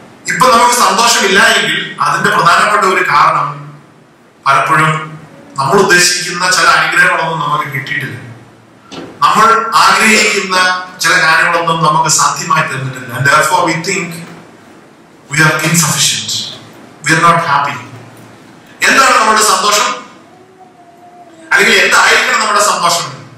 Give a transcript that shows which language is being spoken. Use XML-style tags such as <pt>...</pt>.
<ml>ഇപ്പൊ നമുക്ക് സന്തോഷമില്ലായെങ്കിൽ അതിന്റെ പ്രധാനപ്പെട്ട ഒരു കാരണം പലപ്പോഴും നമ്മൾ ഉദ്ദേശിക്കുന്ന ചില അനുഗ്രഹങ്ങളൊന്നും നമുക്ക് കിട്ടിയിട്ടില്ല, നമ്മൾ ആഗ്രഹിക്കുന്ന ചില കാര്യങ്ങളൊന്നും നമുക്ക് സാധ്യമായി തന്നിട്ടില്ല.</ml> <en>And therefore we think we are insufficient, we are not happy.</en> <ml>എന്താണ് നമ്മുടെ സന്തോഷം, അല്ലെങ്കിൽ എന്തായിരിക്കണം നമ്മുടെ സന്തോഷം?</ml>